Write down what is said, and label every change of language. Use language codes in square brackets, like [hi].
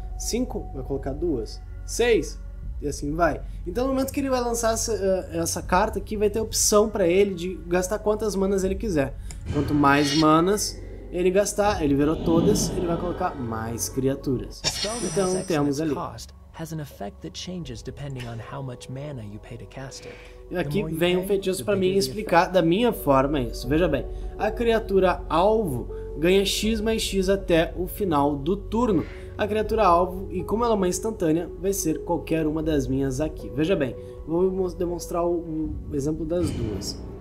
[pt] 5, vai colocar 2. 6, e assim vai. Então no momento que ele vai lançar essa carta aqui, vai ter opção para ele de gastar quantas manas ele quiser. Quanto mais manas ele gastar, ele virou todas, ele vai colocar mais criaturas. Então temos ali. [en] Has an effect that changes depending on how much mana you pay to cast it. [pt] E aqui vem um feitiço para mim explicar da minha forma isso. Veja bem, a criatura alvo ganha X mais X até o final do turno. A criatura alvo, e como ela é uma instantânea, vai ser qualquer uma das minhas aqui. Veja bem, vou demonstrar o exemplo das duas.